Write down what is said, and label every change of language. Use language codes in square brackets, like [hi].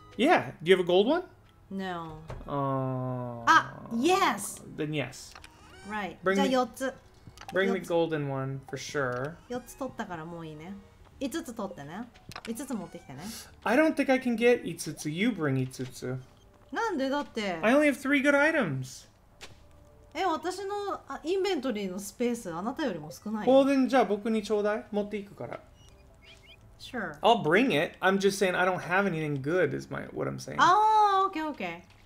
[en] Yeah, do you have a gold one? No. Ah, yes! Then yes. Right, bring [ja] じゃあ4つ。 [en] Bring 4つ the golden one, for sure. [ja] 4つ取ったからもういいね。 5つ取ってね。5つ持ってきてね。 [en] I don't think I can get 5つ.You bring 5つ。 [ja] なんでだって。 [en] I only have 3 good items. [ja] え、私のインベントリーのスペースあなたよりも少ない。 [en] Well, then, [ja] じゃあ僕にちょうだい。持っていくから。 [en] Sure. I'll bring it. I'm just saying I don't have anything good is my, what I'm saying. [ja] ああ、 [en] okay, okay.